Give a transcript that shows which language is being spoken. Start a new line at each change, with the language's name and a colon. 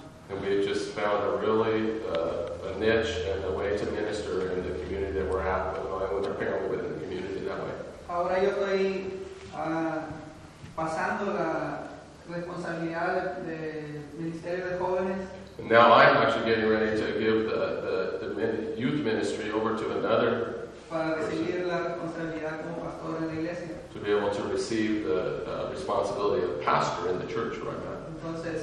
English: And we just found a really a niche and a way to minister in the community that we're at, going with our family within the community that way.
Spanish: Ahora yo estoy pasando la responsabilidad del ministerio de jóvenes.
English: Now I'm actually getting ready to give the youth ministry over to another person, to be able to receive the responsibility of pastor in the church right now.